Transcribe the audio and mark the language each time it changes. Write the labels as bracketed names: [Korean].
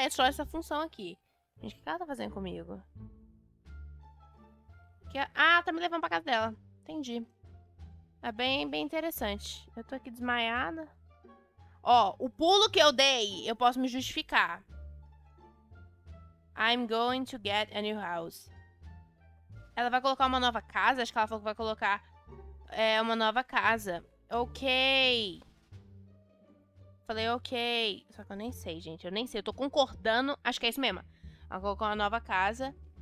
[Portuguese] É só essa função aqui. Gente, o que ela tá fazendo comigo? Ah, tá me levando pra casa dela. Entendi. É bem, bem interessante. Eu tô aqui desmaiada. Ó, o pulo que eu dei, eu posso me justificar. [English] I'm going to get a new house. [Portuguese] Ela vai colocar uma nova casa? Acho que ela falou que vai colocar uma nova casa. Ok. Falei ok. Só que eu nem sei, gente. Eu nem sei. Eu tô concordando. Acho que é isso mesmo. Ela colocou uma nova casa.